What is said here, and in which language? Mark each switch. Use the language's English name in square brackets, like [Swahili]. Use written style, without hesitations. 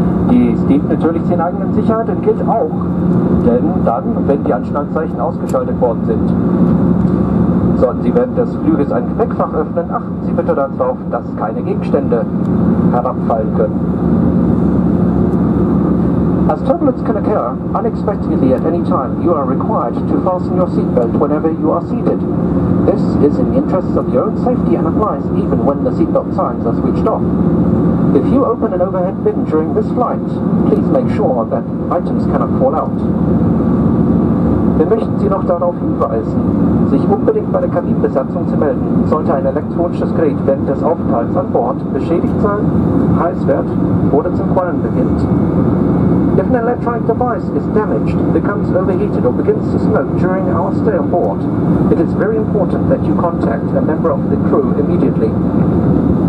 [German] Dies dient natürlich den eigenen Sicherheiten, gilt auch, denn dann, wenn die Anschnallzeichen ausgeschaltet worden sind. Sollten Sie während des Flügels ein Gepäckfach öffnen, achten Sie bitte darauf, dass keine Gegenstände herabfallen können. [English] As turbulence can occur unexpectedly at any time, you are required to fasten your seatbelt whenever you are seated. This is in the interests of your own safety and applies even when the seatbelt signs are switched off. If you open an overhead bin during this flight, please make sure that items cannot fall out. [German] Wir möchten Sie noch darauf hinweisen, sich unbedingt bei der Kabinenbesatzung zu melden. Sollte ein elektronisches Gerät während des Aufenthalts an Bord beschädigt sein, heiß wird oder zum Qualmen beginnt. [English] If an electronic device is damaged, becomes overheated or begins to smoke during our stay on board, it is very important that you contact a member of the crew immediately.